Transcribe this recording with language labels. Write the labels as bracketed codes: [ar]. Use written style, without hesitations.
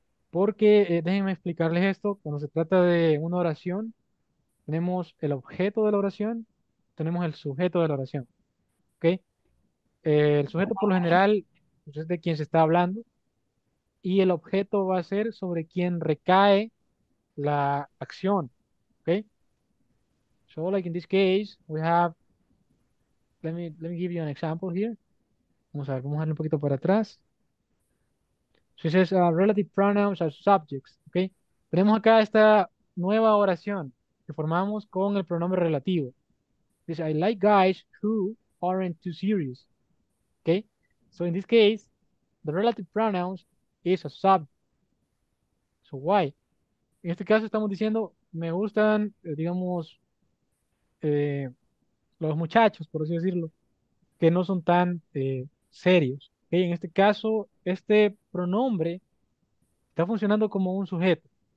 [es] Porque, déjenme explicarles esto, cuando se trata de una oración, tenemos el objeto de la oración, tenemos el sujeto de la oración, ¿ok? El sujeto por lo general es de quien se está hablando y el objeto va a ser sobre quien recae la acción, ¿ok? [en] So like in this case, we have, let me give you an example here. [es] Vamos a darle un poquito para atrás. [en] So it says relative pronouns as subjects, [es] ¿ok? Tenemos acá esta nueva oración que formamos con el pronombre relativo. [en] Dice, I like guys who aren't too serious. Okay? So in this case, the relative pronouns is a subject. So why? [es] En este caso estamos diciendo, me gustan, digamos, los muchachos, por así decirlo, que no son tan serios. Okay? En este caso, este pronombre está funcionando como un sujeto.